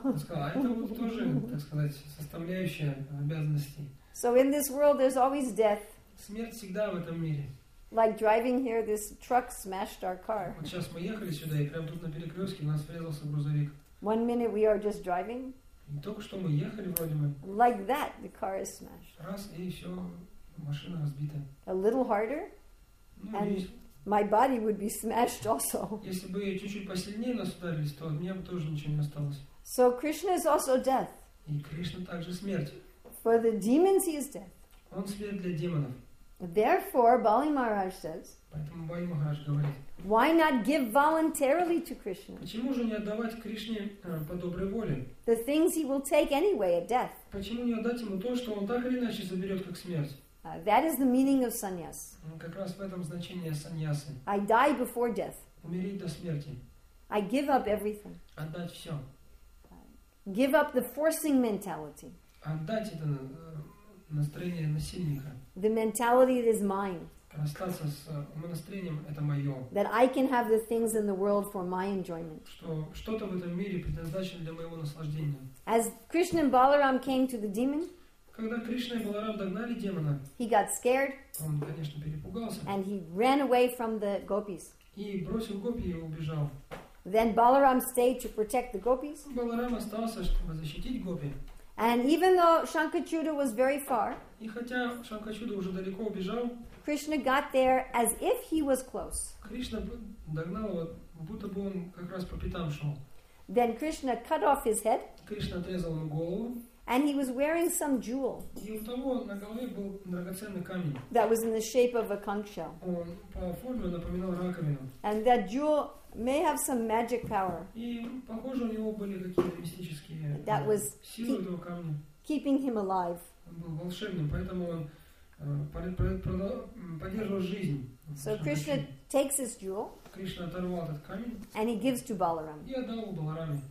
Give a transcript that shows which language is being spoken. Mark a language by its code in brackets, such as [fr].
[ru] Он сказал, это вот тоже, так сказать, составляющая обязанностей. [en] So in this world there's always death. [ru] Смерть всегда в этом мире. [en] Like driving here, this truck smashed our car. [ru] Вот сейчас мы ехали сюда, и прямо тут на перекрестке у нас врезался грузовик. [en] One minute we are just driving. [ru] И только что мы ехали, вроде бы. [en] Like that, the car is smashed. [ru] Раз, и еще машина разбита. [en] A little harder, and my body would be smashed also. [ru] Если бы чуть-чуть посильнее нас ударили, то мне бы тоже ничего не осталось. [en] So Krishna is also death. [ru] И Кришна также смерть. [en] For the demons, he is death. [ru] Он смерть для демонов. [en] Therefore, Bali Maharaj says. [ru] Поэтому Бали Махарадж говорит. [en] Why not give voluntarily to Krishna? [ru] Почему же не отдавать Кришне по доброй воле? [en] The things he will take anyway at death. [ru] Почему не отдать ему то, что он так или иначе заберет как смерть? [en] That is the meaning of sannyas. [ru] Как раз в этом значение саньясы. [en] I die before death. [ru] Умереть до смерти. [en] I give up everything. [ru] Отдать все. [en] Give up the forcing mentality. [ru] Отдать это настроение насильника. [en] The mentality that is mine. [ru] Расстаться с настроением это мое. [en] That I can have the things in the world for my enjoyment. [ru] Что что-то в этом мире предназначено для моего наслаждения. [en] As Krishna and Balaram came to the demon. [ru] Когда Кришна и Баларам догнали демона. [en] He got scared. [ru] Он, конечно, перепугался. [en] And he ran away from the gopis. [ru] И бросил гопи и убежал. [en] Then Balaram stayed to protect the gopis. [ru] Баларам остался, чтобы защитить гопи. [en] And even though Shankachuda was very far, [ru] и хотя Шанкачуда уже далеко убежал, [en] Krishna got there as if he was close. [ru] Кришна догнал его, будто бы он как раз по пятам шел. [en] Then Krishna cut off his head. [ru] Кришна отрезал ему голову. [en] And he was wearing some jewel. [ru] И у того на голове был драгоценный камень. [en] That was in the shape of a conch shell. [ru] Он по форме напоминал раковину. [en] And that jewel may have some magic power. [ru] И похоже у него были какие-то мистические силы этого камня. [en] Keeping him alive. [ru] Он был волшебным, поэтому он поддерживал жизнь. [en] So Krishna takes his jewel. [ru] Кришна оторвал этот камень. [en] And he gives to Balaram. [ru] И отдал его Балараме.